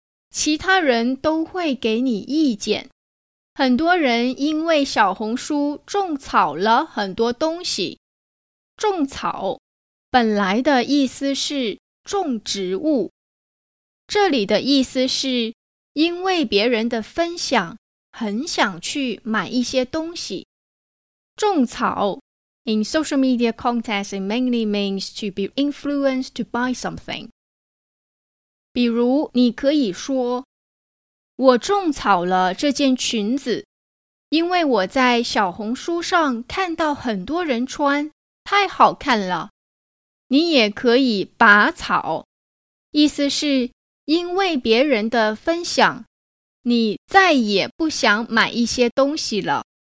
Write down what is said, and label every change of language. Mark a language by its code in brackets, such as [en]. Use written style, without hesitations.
[zh] 其他人都会给你意见。很多人因为小红书种草了很多东西。种草本来的意思是种植物，这里的意思是因为别人的分享，很想去买一些东西。 [en] 种草 in social media context, it mainly means to be influenced to buy something. [zh] 比如你可以说，我种草了这件裙子，因为我在小红书上看到很多人穿，太好看了。你也可以拔草，意思是因为别人的分享，你再也不想买一些东西了。